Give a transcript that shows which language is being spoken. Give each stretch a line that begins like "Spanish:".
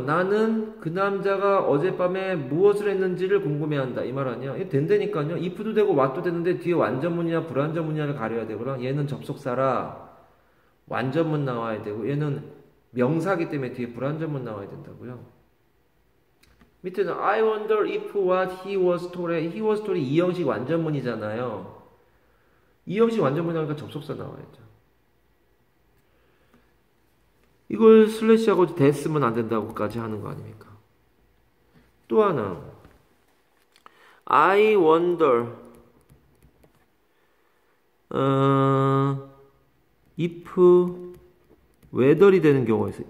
Korean: 나는 그 남자가 어젯밤에 무엇을 했는지를 궁금해한다. 이말 아니야? 이거 된다니까요. if도 되고 what도 되는데 뒤에 완전문이냐 불완전문이냐를 가려야 되거든. 얘는 접속사라. 완전문 나와야 되고, 얘는 명사기 때문에 뒤에 불완전문 나와야 된다고요. 밑에는
English: I wonder if what he was told. He was told
Korean: 2형식 완전문이잖아요. 2형식 완전문이 나오니까 접속사 나와야죠. 이걸 슬래시하고 됐으면 안 된다고까지 하는 거 아닙니까? 또 하나.
English: I wonder if whether
Korean: 이 되는 경우가 있어요.